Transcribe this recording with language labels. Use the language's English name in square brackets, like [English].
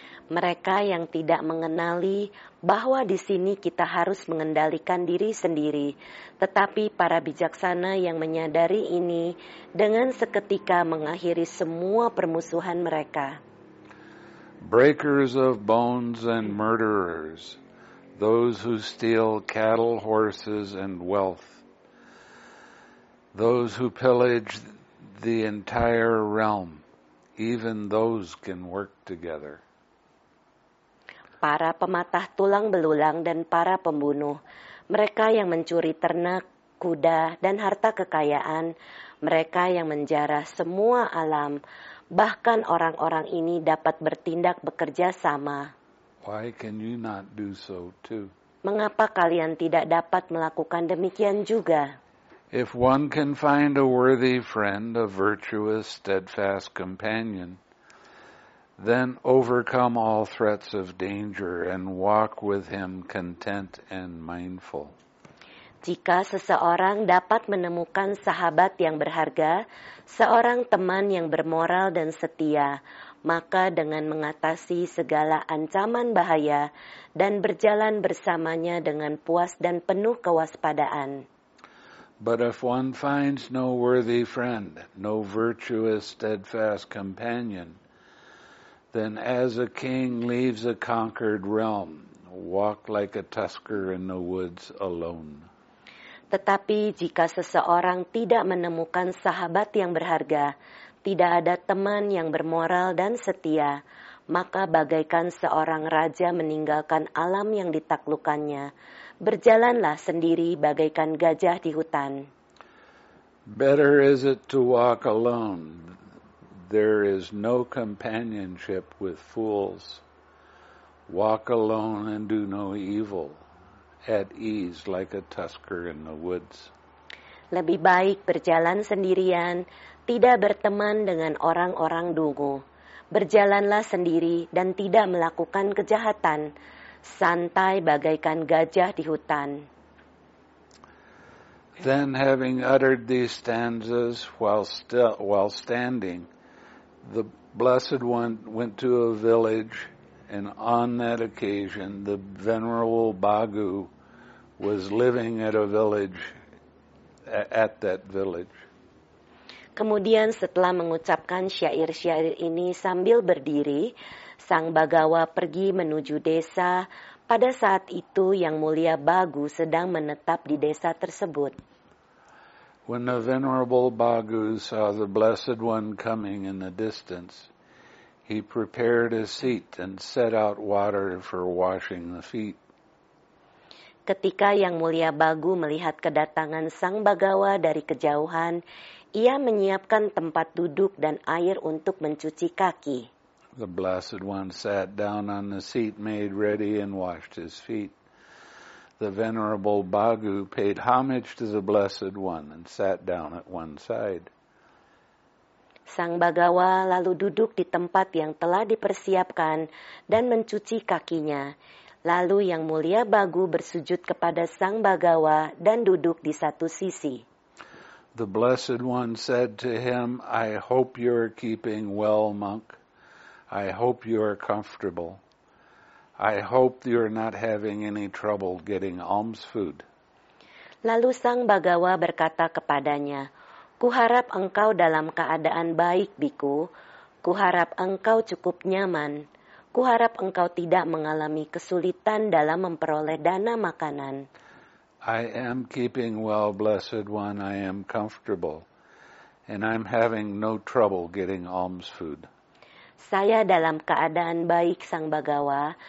[Indonesian] Mereka yang tidak mengenali bahwa di sini kita harus mengendalikan diri sendiri. Tetapi para bijaksana yang menyadari ini dengan seketika mengakhiri semua permusuhan mereka. [English] Breakers of bones and murderers, those who steal cattle, horses, and wealth, those who pillage the entire realm, even those can work together. [Indonesian] Para pematah tulang belulang dan para pembunuh, mereka yang mencuri ternak, kuda, dan harta kekayaan, mereka yang menjarah semua alam, bahkan orang-orang ini dapat bertindak bekerja sama. [English] Why can you not do so too? [Indonesian] Mengapa kalian tidak dapat melakukan demikian juga? [English] If one can find a worthy friend, a virtuous, steadfast companion, then overcome all threats of danger and walk with him content and mindful. [Indonesian] Jika seseorang dapat menemukan sahabat yang berharga, seorang teman yang bermoral dan setia, maka dengan mengatasi segala ancaman bahaya dan berjalan bersamanya dengan puas dan penuh kewaspadaan. [English] But if one finds no worthy friend, no virtuous, steadfast companion, then as a king leaves a conquered realm, walk like a tusker in the woods alone. [Indonesian] Tetapi jika seseorang tidak menemukan sahabat yang berharga, tidak ada teman yang bermoral dan setia, maka bagaikan seorang raja meninggalkan alam yang ditaklukannya. Berjalanlah sendiri bagaikan gajah di hutan. [English] Better is it to walk alone. There is no companionship with fools. Walk alone and do no evil. At ease like a tusker in the woods. [Indonesian] Lebih baik berjalan sendirian, tidak berteman dengan orang-orang dungu. Berjalanlah sendiri dan tidak melakukan kejahatan. santai bagaikan gajah di hutan. [English] Then, having uttered these stanzas while standing, the Blessed One went to a village, and on that occasion, the Venerable Bhagu was living at a village, at that village. [Indonesian] Kemudian setelah mengucapkan syair-syair ini sambil berdiri, Sang Bhagawa pergi menuju desa. Pada saat itu Yang Mulia Bhagu sedang menetap di desa tersebut. [English] When the Venerable Bhagu saw the Blessed One coming in the distance, he prepared a seat and set out water for washing the feet. [Indonesian] Ketika Yang Mulia Bhagu melihat kedatangan Sang Bhagawa dari kejauhan, ia menyiapkan tempat duduk dan air untuk mencuci kaki. [English] The Blessed One sat down on the seat made ready and washed his feet. The Venerable Bhagu paid homage to the Blessed One and sat down at one side. [Indonesian] Sang Bhagawa lalu duduk di tempat yang telah dipersiapkan dan mencuci kakinya. Lalu Yang Mulia Bhagu bersujud kepada Sang Bhagawa dan duduk di satu sisi. [English] The Blessed One said to him, "I hope you are keeping well, monk. I hope you are comfortable. I hope you are not having any trouble getting alms food." [Indonesian] Lalu Sang Bhagawa berkata kepadanya, "Kuharap engkau dalam keadaan baik, Bhikkhu. Kuharap engkau cukup nyaman. Kuharap engkau tidak mengalami kesulitan dalam memperoleh dana makanan." [English] "I am keeping well, Blessed One. I am comfortable. And I'm having no trouble getting alms food." [Indonesian] Saya dalam keadaan baik, Sang Bhagawa.